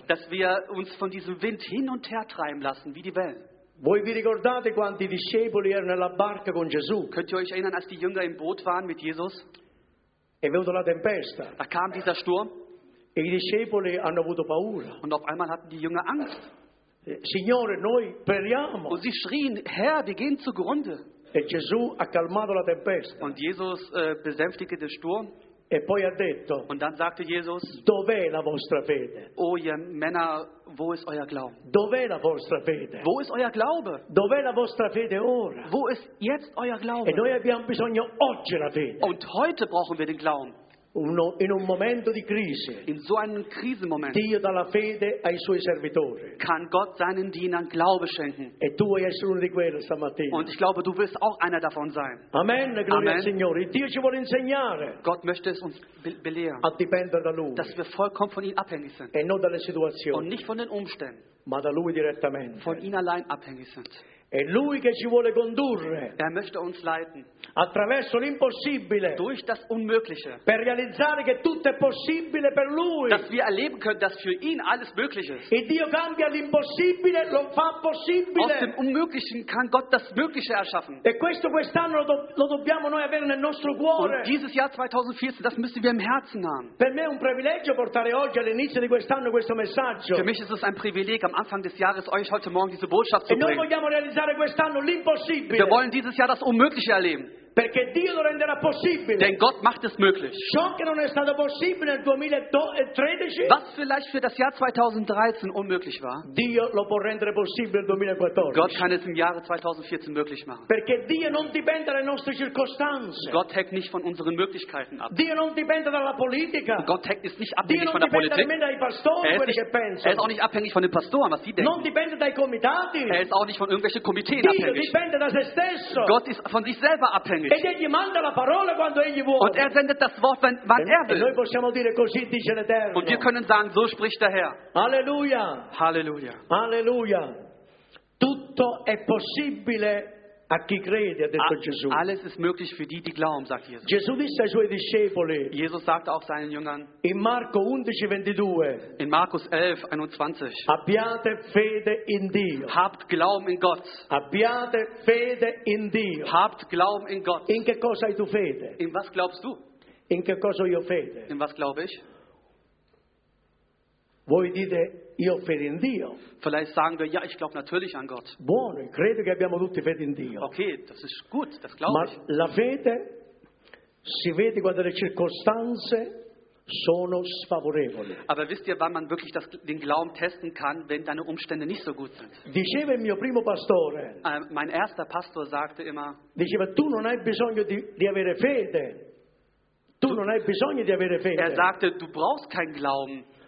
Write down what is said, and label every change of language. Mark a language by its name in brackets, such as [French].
[German] Dass wir uns von diesem Wind hin und her treiben lassen, wie die Wellen. [Italian] Voi vi ricordate quanti discepoli erano nella barca con Gesù? [German] Könnt ihr euch erinnern, als die Jünger im Boot waren mit Jesus? [Italian] È venuta la tempesta. [German] Da kam dieser Sturm. [Italian] E i discepoli hanno avuto paura. [German] Und auf einmal hatten die Jünger Angst. [Italian] Signore, noi periamo. [German] Und sie schrien, Herr, wir gehen zugrunde. [Italian] E Gesù ha calmato la tempesta. [German] Und Jesus besänftigte den Sturm. [Italian] E poi ha detto, [German] und dann sagte Jesus, [Italian] dov'è la vostra fede? [German] O ihr Männer, wo ist euer Glaube? [Italian] Dov'è la vostra fede? [German] Wo ist euer Glaube? [Italian] Dov'è la vostra fede ora? [German] Wo ist jetzt euer Glaube? [Italian] E noi abbiamo bisogno oggi la fede. [German] Und heute brauchen wir den Glauben. [Italian] In un momento di crisi, [German] in so einem Krisenmoment, [Italian] Dio dà la fede ai suoi servitori, [German] kann Gott seinen Dienern Glaube schenken. [Italian] E tu vuoi essere uno di quelli stamattina. [German] Und ich glaube, du wirst auch einer davon sein. [Italian] Amen, gloria al Signore. Dio ci vuole insegnare. [German] Gott möchte es uns belehren. [Italian] A dipendere da Lui. [German] Dass wir vollkommen von ihm abhängig sind. [Italian] E non dalle situazioni. [German] Und nicht von den Umständen. [Italian] Ma da Lui direttamente. [German] Von ihm allein abhängig sind. [Italian] È Lui che ci vuole condurre. [German] Er möchte uns leiten. [Italian] Attraverso l'impossibile. [German] Durch das Unmögliche. [Italian] Per realizzare che tutto è possibile per Lui. [German] Dass wir erleben können, dass für ihn alles möglich ist. [Italian] E Dio cambia l'impossibile, lo fa possibile. [German] Aus dem Unmöglichen kann Gott das Mögliche erschaffen. [Italian] E questo quest'anno lo dobbiamo noi avere nel nostro cuore. [German] Und dieses Jahr 2014, das müssen wir im Herzen haben. [Italian] Per me è un privilegio portare oggi all'inizio di quest'anno questo messaggio. [German] Für mich ist es ein Privileg, am Anfang des Jahres euch heute Morgen diese Botschaft zu bringen. [Italian] E noi vogliamo realizzare quest'anno l'impossibile. [German] Wir wollen dieses Jahr das Unmögliche erleben. [Italian] Perché Dio lo renderà possibile. [German] Denn Gott macht es möglich. [Italian] Ciò che non è stato possibile nel 2013, [German] was vielleicht für das Jahr 2013 unmöglich war, [Italian] Dio lo può rendere possibile nel 2014. [German] Gott kann es im Jahre 2014 möglich machen. [Italian] Perché Dio non dipende dalle nostre circostanze. [German] Gott hängt nicht von unseren Möglichkeiten ab. [Italian] Dio non dipende dalla politica. [German] Gott hängt es nicht abhängig von der Politik. [Italian] Dio non dipende dai pastori, quelli che pensano. [German] Er ist auch nicht abhängig von den Pastoren, was sie denken. [Italian] Non dipende dai comitati. [German] Er ist auch nicht von irgendwelchen Komiteen abhängig. [Italian] Dio dipende da se stesso. [German] Gott ist von sich selber abhängig. [Italian] Ed egli manda la parola quando egli vuole. [German] Und er sendet das Wort, wann er will. [Italian] E noi possiamo dire così dice l'Eterno. [German] Und wir können sagen, so spricht der Herr. [Italian] Alleluia. [German] Halleluja. [Italian] Alleluia. Tutto è possibile a chi crede, ha detto Gesù. [German] Alles ist möglich für die, die glauben, sagt Jesus. [Italian] Gesù disse ai suoi discepoli. [German] Jesus sagte auch seinen Jüngern. [Italian] In Marco 11:22. [German] In Markus 11:21. [Italian] Abbiate fede in Dio. [German] Habt Glauben in Gott. [Italian] Abbiate fede in Dio. [German] Habt Glauben in Gott. [Italian] In che cosa hai tu fede? [German] In was glaubst du? [Italian] In che cosa io fede? [German] In was glaube ich? [Italian] Voi dite, io fede in Dio. [German] Vielleicht sagen wir, ja, ich glaube natürlich an Gott. [Italian] Buono, credo che abbiamo tutti fede in Dio. [German] Okay, das ist gut, das glaube ich. [Italian] Ma la fede si vede quando le circostanze sono sfavorevoli. [German] Aber wisst ihr, wann man wirklich das, den Glauben testen kann, wenn deine Umstände nicht so gut sind? [Italian] Diceva il mio primo pastore. [German] Mein erster Pastor sagte immer. [Italian] Diceva, tu non hai bisogno di avere fede. Tu non hai bisogno di avere fede. [German] Er sagte, du brauchst keinen Glauben.